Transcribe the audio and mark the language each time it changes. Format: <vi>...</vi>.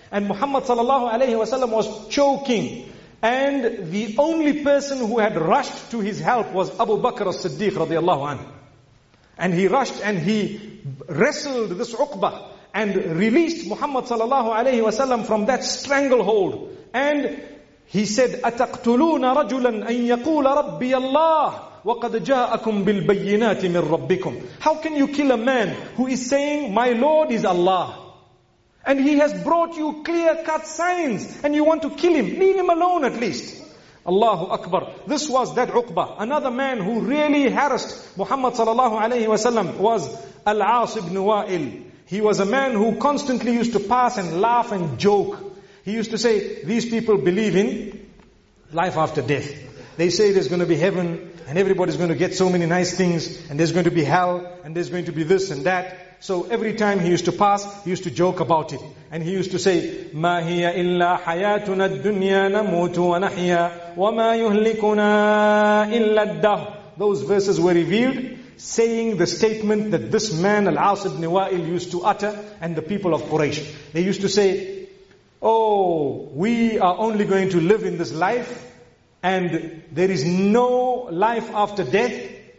<en>And Muhammad sallallahu alayhi wa sallam was choking. And the only person who had rushed to his help was Abu Bakr as-Siddiq radiallahu anhu. And he rushed and he wrestled this Uqba and released Muhammad sallallahu alayhi wa sallam from that stranglehold. And he said,</en> <ar>أَتَقْتُلُونَ رَجُلًا أَن يَقُولَ رَبِّيَ اللَّهِ وَقَدْ جَاءَكُمْ بِالْبَيِّنَاتِ مِنْ رَبِّكُمْ.</ar> <en>How can you kill a man who is saying, my Lord is Allah, and he has brought you clear-cut signs, and you want to kill him? Leave him alone at least. Allahu Akbar. This was that Uqba. Another man who really harassed Muhammad sallallahu alayhi wa sallam was Al-As ibn Wa'il. He was a man who constantly used to pass and laugh and joke. He used to say, these people believe in life after death. They say there's going to be heaven, and everybody's going to get so many nice things, and there's going to be hell, and there's going to be this and that. So every time he used to pass, he used to joke about it. And he used to say,</en> <ar>مَا هِيَ إِلَّا حَيَاتُنَا الدُّنْيَا نَمُوتُ وَنَحْيَا وَمَا يُهْلِكُنَا إِلَّا الدَّهُ.</ar> <en>Those verses were revealed, saying the statement that this man, Al-As ibn Wa'il, used to utter, and the people of Quraysh. They used to say, oh, we are only going to live in this life, and there is no life after death.</en>